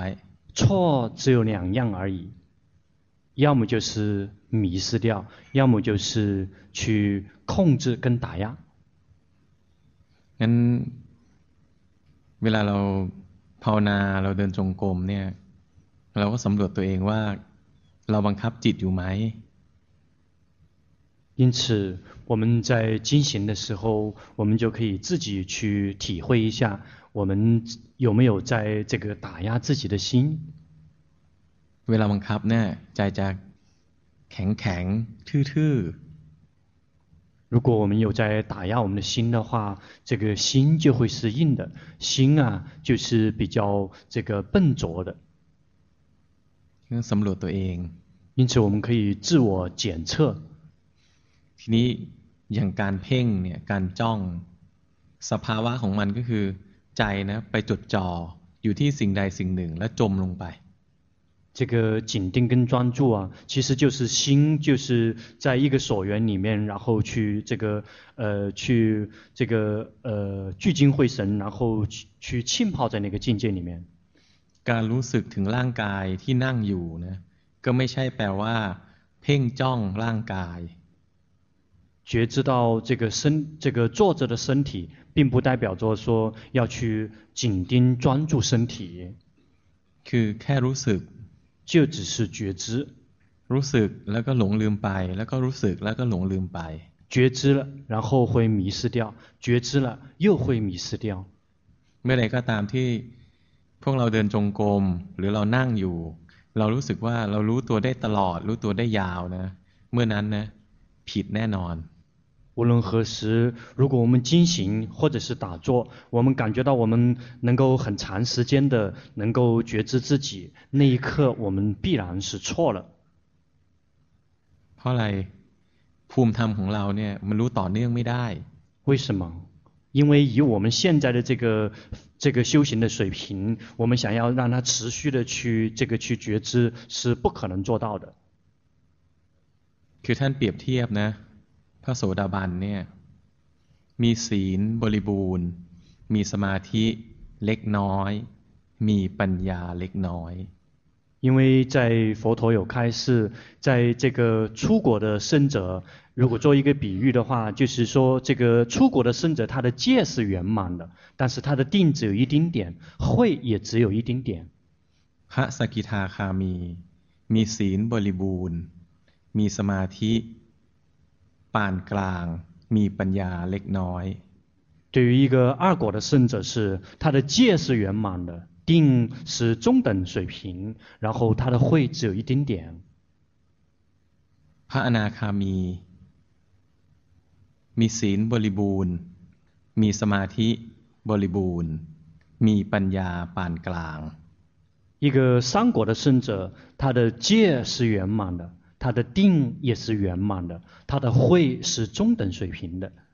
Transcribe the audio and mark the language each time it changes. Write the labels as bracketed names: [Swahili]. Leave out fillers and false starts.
[Chinese] ชั่ว只有两样而已要么就是迷失掉要么就是去控制跟打压 [Thai] งั้นเวลาเราภาวนาเราเดินจงกรมเนี่ยเราก็สำรวจตัวเองว่าเราบังคับจิตอยู่ไหม [Chinese] 因此我们在进行的时候我们就可以自己去体会一下我们有没有在这个打压自己的心 [Thai] เวลาบังคับเนี่ยจะแข็งแข็งทื่ [Chinese] อ如果我们有在打压我们的心的话这个心就会是硬的心啊就是比较这个笨拙的 [Thai] สำรวจตัวเอง [Chinese] 因此我们可以自我检测 [Thai] ทีนี้อย่างการเพ่งเนี่ยการจ้องสภาวะของมันก็คือใจนะไปจดจ่ออยู่ที่สิ่งใดสิ่งหนึ่งแล้วจมลงไป [Chinese] 这个紧盯跟专注啊，其实就是心，就是在一个所缘里面，然后去这个去这个聚精会神，然后去浸泡在那个境界里面。 [Thai] การรู้สึกถึงร่างกายที่นั่งอยู่นะก็ไม่ใช่แปลว่าเพ่งจ้องร่างกาย [Chinese] 觉知到这个身这个坐着的身体，并不代表着说要去紧盯专注身体。 [Thai] คือแค่รู้สึก [Chinese] 就只是觉知 [Thai] รู้สึกแล้วก็หลงลืมไปแล้วก็รู้สึกแล้วก็หลงลืมไป [Chinese] 觉知了然后会迷失掉觉知了又会迷失掉 [Thai] เมื่อไรก็ตามที่พวกเราเดินจงกรมหรือเรานั่งอยู่เรารู้สึกว่าเรารู้ตัวได้ตลอดรู้ตัวได้ยาวนะเมื่อนั้นนะผิดแน่นอน [Chinese] 无论何时如果我们精行或者是打坐我们感觉到我们能够很长时间的能够觉知自己那一刻我们必然是错了 [Thai] เพราะอะไรภูมิธรรมของเราเนี่ยมันรู้ต่อเนื่องไม่ได้ [Chinese] 为什么因为以我们现在的这个修行的水平我们想要让它持续的去这个去觉知是不可能做到的 [Thai] คือท่านเปรียบเทียบนะพระโสดาบันเนี่ยมีศีลบริบูรณ์มีสมาธิเล็กน้อยมีปัญญาเล็กน้อย [Chinese] 因为在佛陀有开示在这个出果的圣者如果做一个比喻的话就是说这个出果的圣者他的戒是圆满的但是他的定只有一丁点慧也只有一丁点 [Thai] พระสกิทาคามีมีศีลบริบูรณ์มีสมาธิปานกลางมีปัญญาเล็กน้อย [Chinese] 对于一个二果的圣者是他的戒是圆满的定是中等水平然后他的慧只有一丁点 [Thai] พระอนาคามีมีศีลบริบูรณ์มีสมาธิบริบูรณ์มีปัญญาปานกลาง [Chinese] 一个三果的圣者他的戒是圆满的他的定也是圆满的他的慧是中等水平的